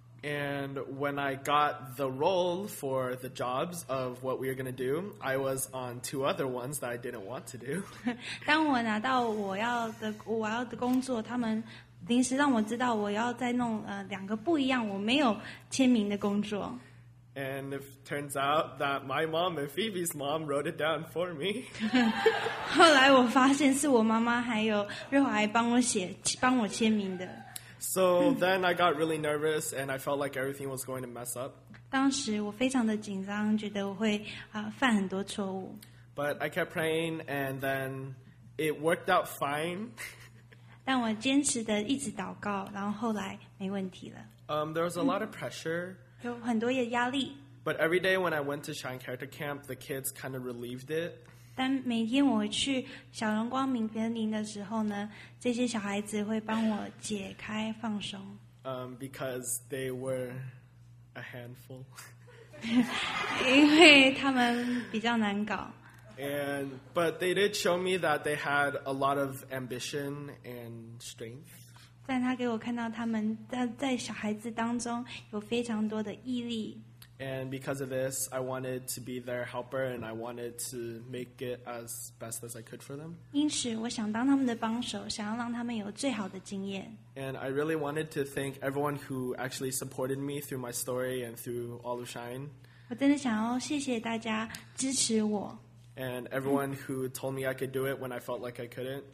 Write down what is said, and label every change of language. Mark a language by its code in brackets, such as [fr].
[en] And when I got the role for the jobs of what we are going to do, I was on two other ones that I didn't want to do. [zh] 当我拿到我要的工作，他们临时让我知道我要再弄两个不一样我没有签名的工作。 [en] And it turns out that my mom and Phoebe's mom wrote it down for me. [zh] 后来我发现是我妈妈还有瑞华帮我签名的。 [en] So then I got really nervous and I felt like everything was going to mess up. [zh] 当时我非常的紧张，觉得我会犯很多错误。 [en] But I kept praying and then it worked out fine. [zh] 但我坚持的一直祷告，然后后来没问题了。 [en] There was a lot of pressure. [zh] 有很多的压力。 [en] But every day when I went to Shine Character Camp, the kids kind of relieved it. [zh] 但每天我去小荣光明歌营的时候呢，这些小孩子会帮我解开放松。 [en] Because they were a handful. [zh] 因为他们比较难搞。 [en] But they did show me that they had a lot of ambition and strength. [zh] 但他给我看到他们在小孩子当中有非常多的毅力。 [en] And because of this, I wanted to be their helper, and I wanted to make it as best as I could for them. [zh] 因此，我想当他们的帮手，想要让他们有最好的经验。 [en] And I really wanted to thank everyone who actually supported me through my story and through all of Shine. [zh] 我真的想要谢谢大家支持我。 [en] And everyone who told me I could do it when I felt like I couldn't.